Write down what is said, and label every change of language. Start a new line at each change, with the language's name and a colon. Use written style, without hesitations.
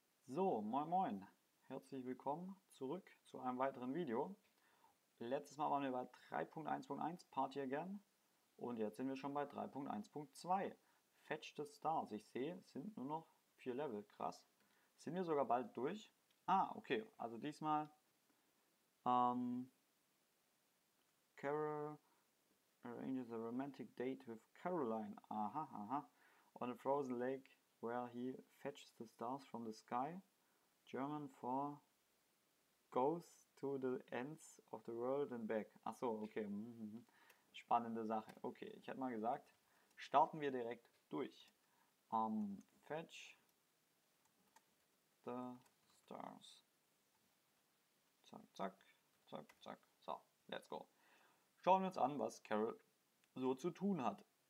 German: So, moin moin, herzlich willkommen zurück zu einem weiteren Video. Letztes Mal waren wir bei 3.1.1 Party Again und jetzt sind wir schon bei 3.1.2 Fetch the Stars. Ich sehe, es sind nur noch 4 Level, krass. Sind wir sogar bald durch?
English: Ah, okay,
German: also diesmal
English: Carol arranges a romantic date with Caroline. Aha, on a frozen lake. Where he fetches the stars from the sky. German for goes to the ends of the world and back.
German: Ach so, okay. Spannende Sache. Okay, ich hätte mal gesagt, starten wir direkt durch.
English: Fetch the stars.
German: Zack, zack, zack, zack. So,
English: let's go.
German: Schauen wir uns an, was Carol so zu tun hat.